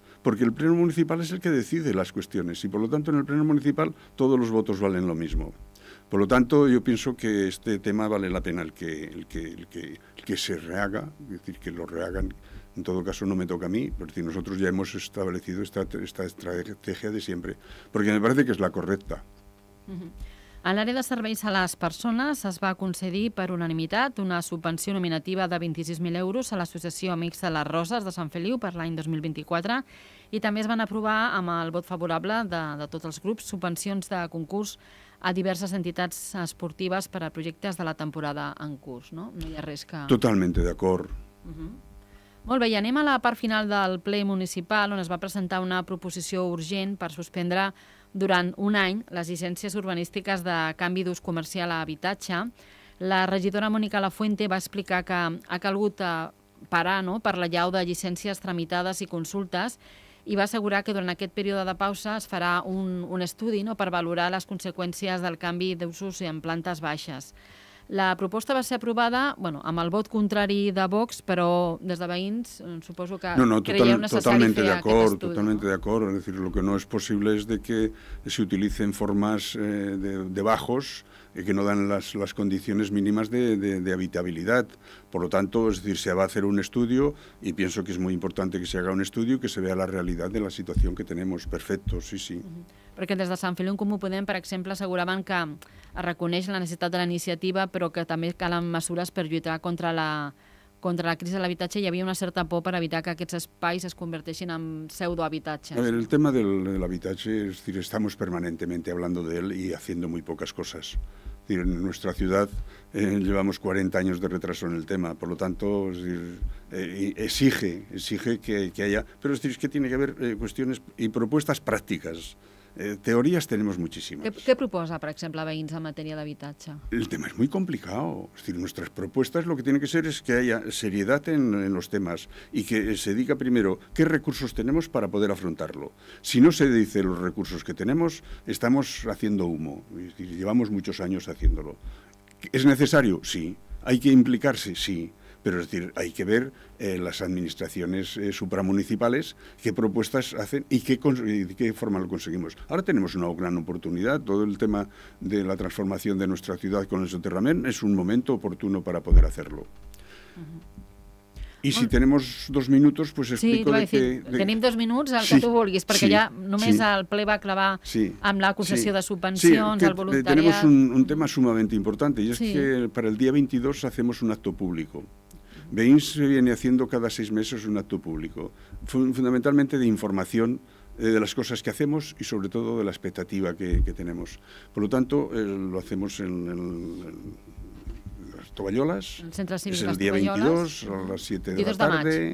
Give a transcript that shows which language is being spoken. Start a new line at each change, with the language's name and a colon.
Spanish: Porque el Pleno Municipal es el que decide las cuestiones. Y, por lo tanto, en el Pleno Municipal todos los votos valen lo mismo. Por lo tanto, yo pienso que este tema vale la pena el que se rehaga. Es decir, que lo rehagan. En todo caso, no me toca a mí, porque nosotros ya hemos establecido esta estrategia de siempre. Porque me parece que es la correcta.
Catalan: A l'àrea de serveis a les persones es va concedir per unanimitat una subvenció nominativa de 26.000 euros a l'Associació Amics de les Roses de Sant Feliu per l'any 2024 i també es van aprovar amb el vot favorable de tots els grups subvencions de concurs a diverses entitats esportives per a projectes de la temporada en curs. No, no hi ha res que...
Spanish: Totalmente
Catalan: d'acord. Molt bé, i anem a la part final del ple municipal on es va presentar una proposició urgent per suspendre durant un any les llicències urbanístiques de canvi d'ús comercial a habitatge. La regidora Mònica Lafuente va explicar que ha calgut parar, no?, per l'allau de llicències tramitades i consultes i va assegurar que durant aquest període de pausa es farà un estudi, no?, per valorar les conseqüències del canvi d'usos en plantes baixes. La proposta va ser aprovada, bueno, amb el vot contrari de Vox, però des de veïns suposo que creieu necessari fer aquest estudi.
Spanish: Totalmente de acord, totalmente de acord. Es decir, lo que no es posible es de que se utilicen formas de bajos que no dan las condiciones mínimas de habitabilidad. Por lo tanto, es decir, se va a hacer un estudio y pienso que es muy importante que se haga un estudio y que se vea la realidad de la situación que tenemos. Perfecto, sí, sí.
Catalan: Perquè des de Sant Feliu en Comú Podem, per exemple, asseguraven que es reconeix la necessitat de la iniciativa, però que també calen mesures per lluitar contra la crisi de l'habitatge i hi havia una certa por per evitar que aquests espais es converteixin en pseudohabitatges.
Spanish: El tema de l'habitatge, es decir, estamos permanentemente hablando de él y haciendo muy pocas cosas. Es decir, en nuestra ciudad llevamos 40 años de retraso en el tema, por lo tanto, es decir, exige que haya... Pero es decir, es que tiene que haber cuestiones y propuestas prácticas. Teorías tenemos muchísimas. ¿Qué
Catalan: proposa,
Spanish: por ejemplo, a veïns en materia de habitatge? El tema es muy complicado. Es decir, nuestras propuestas lo que tiene que ser es que haya seriedad en los temas y que se diga primero qué recursos tenemos para poder afrontarlo. Si no se dice los recursos que tenemos, estamos haciendo humo. Es decir, llevamos muchos años haciéndolo. ¿Es necesario? Sí. ¿Hay que implicarse? Sí. Pero es decir, hay que ver las administraciones supramunicipales qué propuestas hacen y qué forma lo conseguimos. Ahora tenemos una gran oportunidad, todo el tema de la transformación de nuestra ciudad con el soterramiento es un momento oportuno para poder hacerlo. Y si tenemos dos minutos, pues explico...
Catalan: Sí, t'ho vaig dir, tenim dos minuts, el que tu vulguis, perquè ja només el ple va clavar amb l'acusació de subvencions, el voluntariat...
Spanish: Sí, tenemos un tema sumamente importante, y es que para el día 22 hacemos un acto público. Veïns se viene haciendo cada 6 meses un acto público, fundamentalmente de información de las cosas que hacemos y sobre todo de la expectativa que tenemos. Por lo tanto, lo hacemos en las Tovalloles, es el día 22, a las 7 de la tarde.